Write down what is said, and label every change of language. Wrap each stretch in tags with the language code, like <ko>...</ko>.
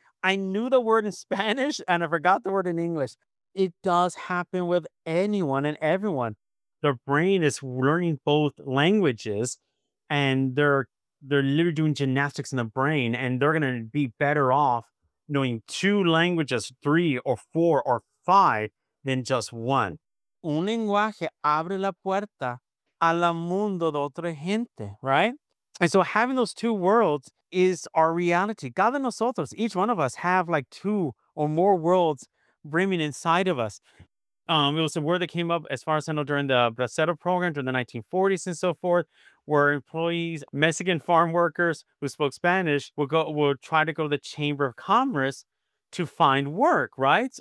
<en>I knew the word in Spanish and I forgot the word in English. It does happen with anyone and everyone. The brain is learning both languages and they're literally doing gymnastics in the brain, and they're going to be better off knowing two languages, three or four or five, than just one.</en> <es>Un lenguaje abre la puerta al mundo de otra gente,</es> <en>right? And so having those two worlds is our reality.</en> <es>Cada nosotros,</es> <en>each one of us, have like two or more worlds brimming inside of us. It was a word that came up, as far as I know, during the Bracero program, during the 1940s and so forth, where employees, Mexican farm workers who spoke Spanish, would try to go to the Chamber of Commerce to find work, right?</en>